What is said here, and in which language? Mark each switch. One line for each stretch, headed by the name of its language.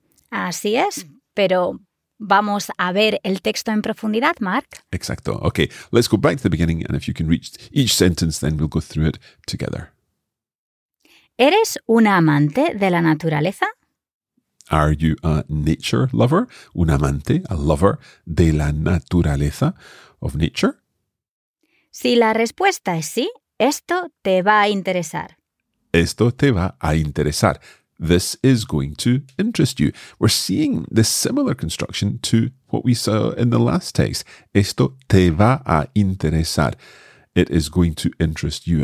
Spanish: Así es, pero vamos a ver el texto en profundidad, Mark. Exacto.
English: Okay, let's go back to the beginning, and if you can reach each sentence, then we'll go through it together.
Spanish: ¿Eres una amante de la naturaleza?
English: Are you a nature lover?
Spanish: Un amante,
English: a lover
Spanish: de la naturaleza,
English: of nature?
Spanish: Si la respuesta es sí, esto te va a interesar. Esto te va a interesar.
English: This is going to interest you. We're seeing this similar construction to what we saw in the last text.
Spanish: Esto te va a interesar.
English: It is going to interest you.